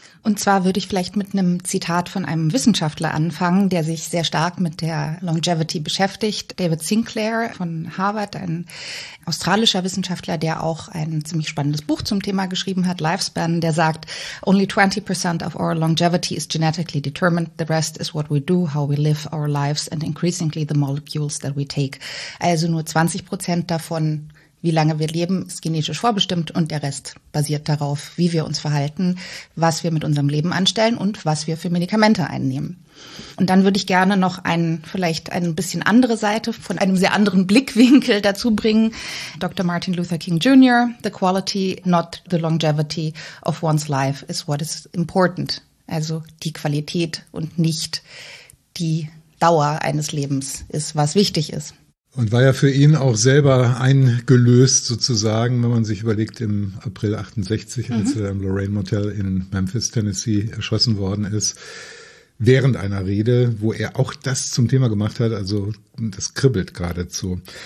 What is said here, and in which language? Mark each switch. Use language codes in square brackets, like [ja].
[de] Und zwar würde ich vielleicht mit einem Zitat von einem Wissenschaftler anfangen, der sich sehr stark mit der Longevity beschäftigt. David Sinclair von Harvard, ein australischer Wissenschaftler, der auch ein ziemlich spannendes Buch zum Thema geschrieben hat, Lifespan, der sagt, [en] only 20% of our longevity is genetically determined. The rest is what we do, how we live our lives and increasingly the molecules that we take. [de] Also nur 20% davon, wie lange wir leben, ist genetisch vorbestimmt und der Rest basiert darauf, wie wir uns verhalten, was wir mit unserem Leben anstellen und was wir für Medikamente einnehmen. Und dann würde ich gerne noch vielleicht ein bisschen andere Seite von einem sehr anderen Blickwinkel dazu bringen. [en] Dr. Martin Luther King Jr., the quality, not the longevity of one's life is what is important. [de] Also die Qualität und nicht die Dauer eines Lebens ist, was wichtig ist. Und war ja für ihn auch selber eingelöst sozusagen, wenn man sich überlegt, im April 68, als er im Lorraine Motel in Memphis, Tennessee erschossen worden ist, während einer Rede, wo er auch das zum Thema gemacht hat, also das kribbelt geradezu.